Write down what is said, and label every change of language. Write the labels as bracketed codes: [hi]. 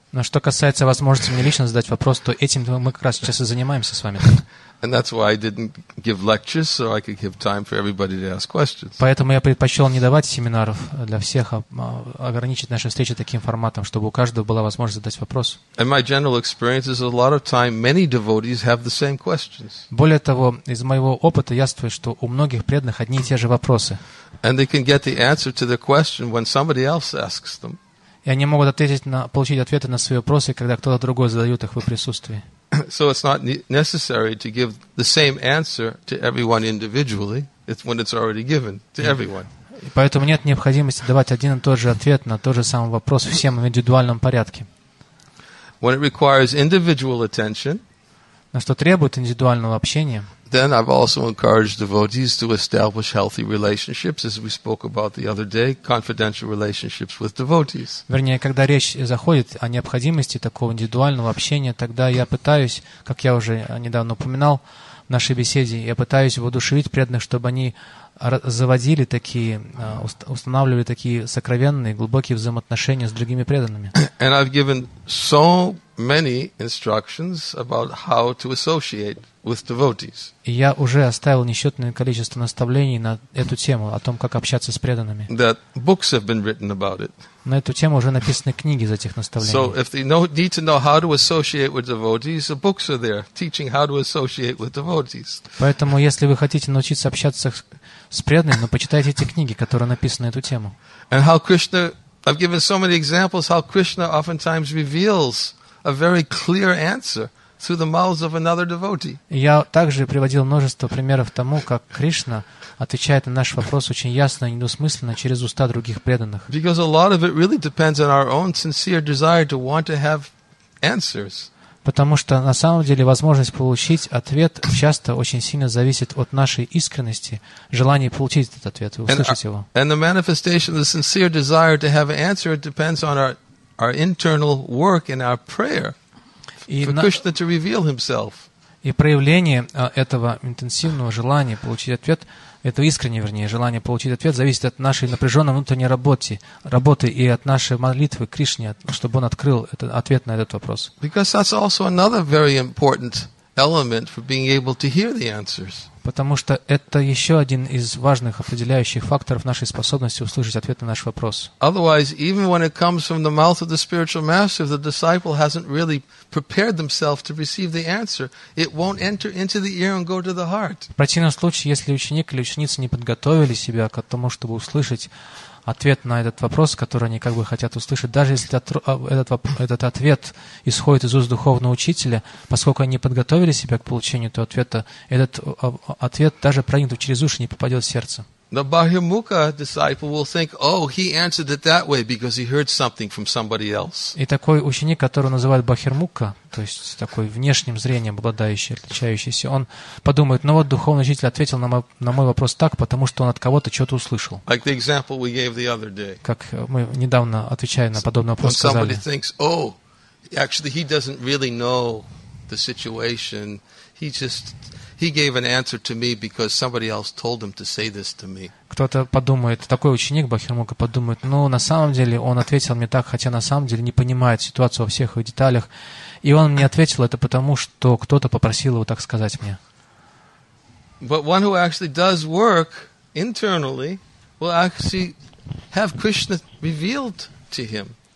[ru] Но что касается возможности мне лично задать вопрос, то этим мы как раз сейчас и занимаемся с вами. [en] And that's why I didn't give lectures, so I could give time for everybody to ask questions. [ru] Поэтому я предпочел не давать семинаров для всех, а ограничить наши встречи таким форматом, чтобы у каждого была возможность задать вопрос. [en] And my general experience is a lot of time many devotees have the same questions. [ru] Более того, из моего опыта яствует, что у многих преданных одни и те же вопросы. [en] And they can get the answer to the question when somebody else asks them. [ru] И они могут ответить на, получить ответы на свои вопросы, когда кто-то другой задает их в присутствии. [en] So it's not necessary to give the same answer to everyone individually. It's when it's already given to everyone. [ru] И поэтому нет необходимости давать один и тот же ответ на тот же самый вопрос всем в индивидуальном порядке. [en] When it requires individual attention, [ru] на что требует индивидуального общения, [en] then I've also encouraged devotees to establish healthy relationships, as we spoke about the other day, confidential relationships with devotees. [ru] Вернее, когда речь заходит о необходимости такого индивидуального общения, тогда я пытаюсь, как я уже недавно упоминал в нашей беседе, я пытаюсь воодушевить преданных, чтобы они заводили такие, устанавливали такие сокровенные, глубокие взаимоотношения с другими преданными. [en] And I've given so many instructions about how to associate with devotees. [ru] И я уже оставил несчетное количество наставлений на эту тему, о том, как общаться с преданными. [en] That books have been written about it. [ru] На эту тему уже написаны книги за этих наставлений. [en] So if they need to know how to associate with devotees, the books are there teaching how to associate with devotees. [ru] Поэтому, если вы хотите научиться общаться с преданными, ну, почитайте эти книги, которые написаны на эту тему. [en] And how Krishna, I've given so many examples how Krishna oftentimes reveals a very clear answer through the mouths of another devotee. [ru] Я также приводил множество примеров тому, как Кришна отвечает на наш вопрос очень ясно и недвусмысленно через уста других преданных. [en] Because a lot of it really depends on our own sincere desire to want to have answers. [ru] Потому что на самом деле возможность получить ответ часто очень сильно зависит от нашей искренности, желания получить этот ответ и услышать его. [en] And the manifestation of the sincere desire to have an answer depends on our internal work and our prayer for Krishna to reveal himself. [ru] И проявление этого интенсивного желания получить ответ, этого искреннего, вернее, желания получить ответ, зависит от нашей напряженной внутренней работы и от нашей молитвы Кришне, чтобы он открыл ответ на этот вопрос. [en] Because that's also another very important element for being able to hear the answers. [ru] Потому что это еще один из важных определяющих факторов нашей способности услышать ответ на наш вопрос. [en] Otherwise, even when it comes from the mouth of the spiritual master, the disciple hasn't really prepared themselves to receive the answer. It won't enter into the ear and go to the heart. [ru] В противном случае, если ученик или ученица не подготовили себя к тому, чтобы услышать ответ на этот вопрос, который они как бы хотят услышать, даже если этот ответ исходит из уст духовного учителя, поскольку они не подготовили себя к получению этого ответа, этот ответ даже проникнув через уши не попадет в сердце. [en] The Bahirmukha disciple will think, oh, he answered it that way because he heard something from somebody else. [ru] И такой ученик, которого называют Бахирмукха, то есть такой внешним зрением обладающий, отличающийся, он подумает, ну вот духовный учитель ответил на мой вопрос так, потому что он от кого-то что-то услышал. [en] Like the example we gave the other day. [ru] Как мы недавно, отвечая на подобный вопрос, сказали. [en] Somebody thinks, oh, actually he doesn't really know the situation. He just... He gave an answer to me because somebody else told him to say this to me. [ru] Кто-то подумает, такой ученик Бахирмукха подумает, ну, на самом деле, он ответил мне так, хотя на самом деле не понимает ситуацию во всех ее деталях. И он мне ответил это потому, что кто-то попросил его так сказать мне. [en] But one who actually does work internally will actually have Krishna revealed to him.